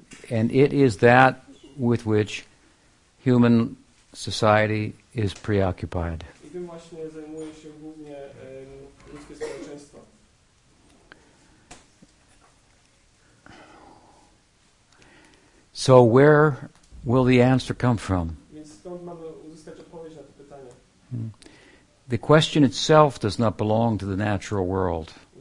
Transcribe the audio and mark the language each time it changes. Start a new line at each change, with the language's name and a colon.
English: And it is that with which human society is preoccupied.
Polish: I tym właśnie zajmuje się głównie ludzkie społeczeństwo.
English: So where will the answer come from?
Polish: Więc stąd mamy uzyskać odpowiedź na to pytanie.
English: The question itself does not belong to the natural world.